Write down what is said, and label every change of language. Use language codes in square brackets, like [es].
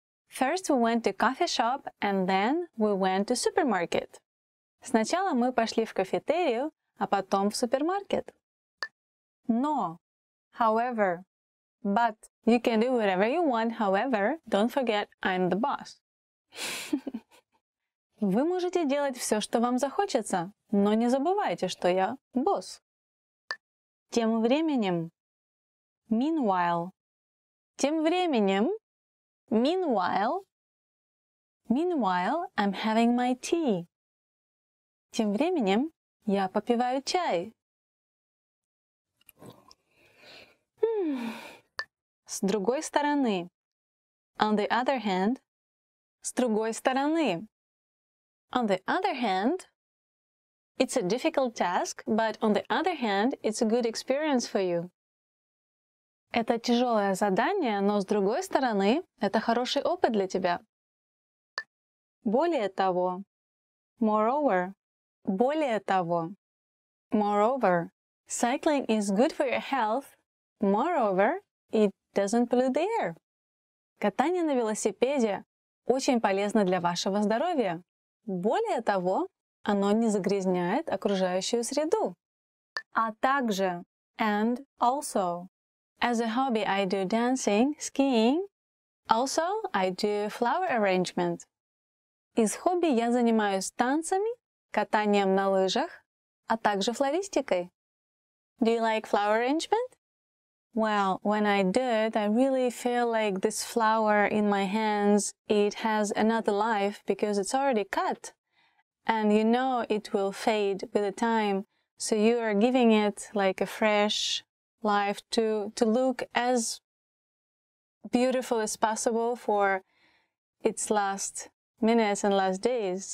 [en] First we went to coffee shop, and then we went to supermarket. [ru] Сначала мы пошли в кафетерию, а потом в супермаркет. Но. [en] However. But. You can do whatever you want, however, don't forget, I'm the boss. [ru] Вы можете делать все, что вам захочется, но не забывайте, что я босс. Тем временем. [en] Meanwhile. [ru] Тем временем. [en] Meanwhile, I'm having my tea. [ru] Тем временем я попиваю чай. С другой стороны. [en] On the other hand. [ru] С другой стороны. [en] On the other hand. It's a difficult task, but on the other hand, it's a good experience for you. [ru] Это тяжелое задание, но с другой стороны, это хороший опыт для тебя. Более того. [en] Moreover. [ru] Более того. Moreover. [en] Cycling is good for your health. Moreover, it doesn't pollute the air. [ru] Катание на велосипеде очень полезно для вашего здоровья. Более того, оно не загрязняет окружающую среду. А также. [en] And also. As a hobby, I do dancing, skiing. Also, I do flower arrangement. [ru] Из хобби я занимаюсь танцами, катанием на лыжах, а также флористикой. [en] Do you like flower arrangement? Well, when I do it, I really feel like this flower in my hands, it has another life because it's already cut. And you know it will fade with the time, so you are giving it like a fresh life to look as beautiful as possible for its last minutes and last days.